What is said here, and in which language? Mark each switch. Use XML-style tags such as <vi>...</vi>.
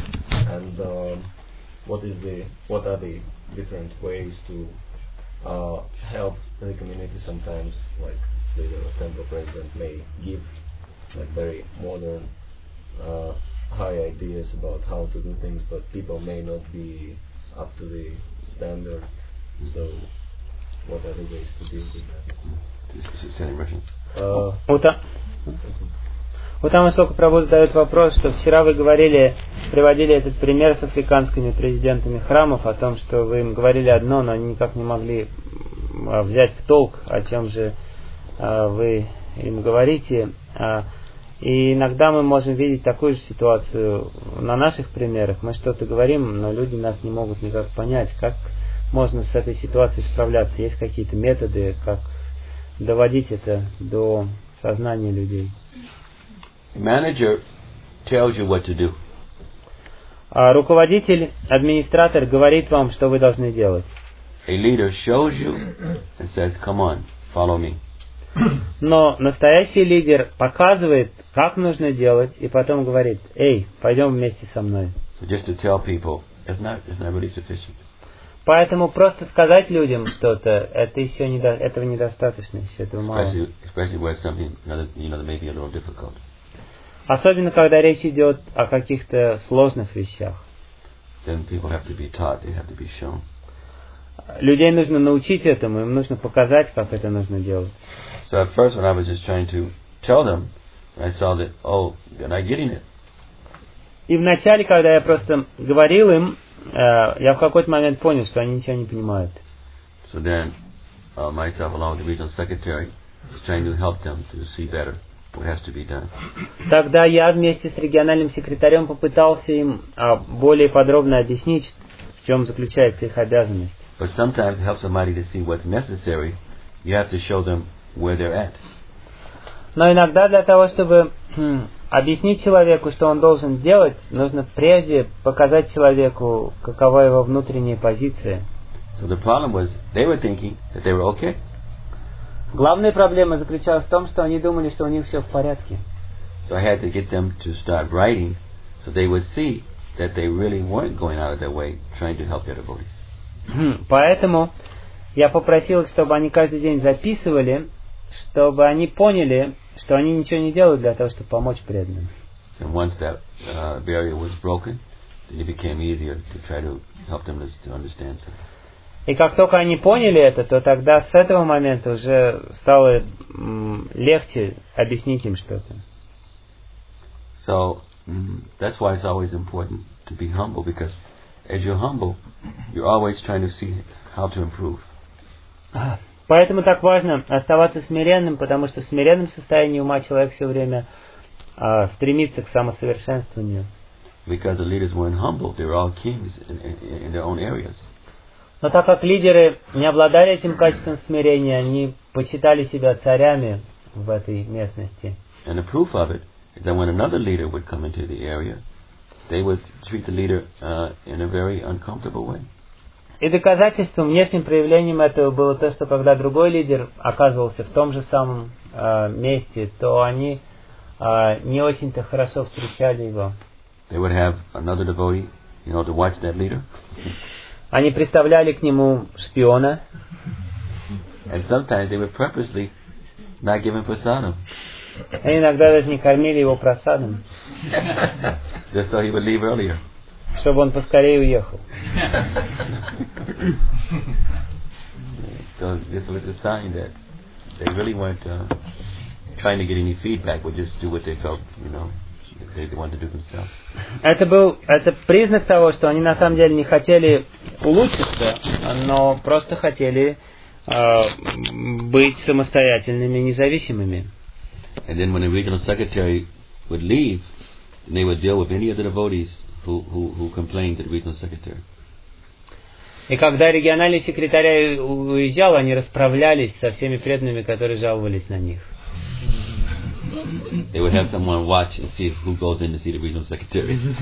<en>And what are the different ways to help the community sometimes, like the temple president may give like very modern high ideas about how to do things, but people may not be up to the standard. So what are the ways to deal with that? This is saying Russian.</en> <ru>Вот там Асока Прабху задает вопрос, что вчера вы говорили, приводили этот пример с африканскими президентами храмов, о том, что вы им говорили одно, но они никак не могли взять в толк, о чем же вы им говорите. И иногда мы можем видеть такую же ситуацию на наших примерах. Мы что-то говорим, но люди нас не могут никак понять, как можно с этой ситуацией справляться. Есть какие-то методы, как доводить это до сознания людей.</ru> <en>Manager tells you what to do.</en> <ru>Руководитель, администратор говорит вам, что вы должны делать.</ru> <en>A leader shows you and says, "Come on, follow me."</en> <ru>Но настоящий лидер показывает, как нужно делать, и потом говорит: "Эй, пойдем вместе со мной."</ru> <en>So just to tell people, it's not really sufficient.</en> <ru>Поэтому просто сказать людям что-то, это еще этого недостаточно, еще этого мало.</ru> <en>Especially where something, that may be a little difficult.</en> <ru>Особенно, когда речь идет о каких-то сложных вещах.</ru> <en>Then people have to be taught, they have to be shown.</en> <ru>Людей нужно научить этому, им нужно показать, как это нужно делать.</ru> <en>So at first, when I was just trying to tell them, I saw that, oh, they're not getting it.</en> <ru>И вначале, когда я просто говорил им, я в какой-то момент понял, что они ничего не понимают.</ru> <en>So then, myself, along with the regional secretary, was trying to help them to see better. What has to be done.</en> <ru>Тогда я вместе с региональным секретарем попытался им более подробно объяснить, в чем заключается их обязанность.</ru> <en>But sometimes to help somebody to see what's necessary, you have to show them where they're at.</en> <ru>Но иногда для того, чтобы объяснить человеку, что он должен делать, нужно прежде показать человеку, какова его внутренняя позиция.</ru> <en>So the problem was they were thinking that they were okay.</en> <ru>Главная проблема заключалась в том, что они думали, что у них все в порядке.</ru> <en>So I had to get them to start writing, so they would see that they really weren't going out of their way trying to help their devotees.</en> <ru>Поэтому я попросил их, чтобы они каждый день записывали, чтобы они поняли, что они ничего не делают для того, чтобы помочь преданным.</ru> <en>And once that barrier was broken, then it became easier to try to help them to understand something.</en> <ru>И как только они поняли это, то тогда с этого момента уже стало легче объяснить им что-то.</ru> <en>So that's why it's always important to be humble, because as you're humble, you're always trying to see how to improve.</en> <ru>Поэтому так важно оставаться смиренным, потому что в смиренном состоянии ума человек все время стремится к самосовершенствованию.</ru> <en>Because the leaders weren't humble, they were all kings in their own areas.</en> <ru>Но так как лидеры не обладали этим качеством смирения, они почитали себя царями в этой местности.</ru> <en>And the proof of it is that when another leader would come into the area, they would treat the leader in a very uncomfortable way.</en> <ru>И доказательством, внешним проявлением этого было то, что когда другой лидер оказывался в том же самом месте, то они не очень-то хорошо встречали его.</ru> <en>They would have another devotee, you know, to watch that leader.</en> <ru>Они представляли к нему шпиона.</ru> <en>And sometimes they would purposely not give him prasadam.</en> <ru>Они иногда даже не кормили его прасадом.</ru> <en>Just so he would leave earlier.</en> <ru>Чтобы он поскорее уехал.</ru> <en>So this was a sign that they really weren't trying to get any feedback, would just do what they felt, you know.</en> <ru>Это признак того, что они на самом деле не хотели улучшиться, но просто хотели быть самостоятельными, независимыми.</ru> <en>And then when the regional secretary would leave, they would deal with any of the devotees who complained to the regional secretary.</en> <ru>И когда региональный секретарь уезжал, они расправлялись со всеми преданными, которые жаловались на них.</ru> <en>They would have someone watch and see who goes in to see the regional secretary.</en>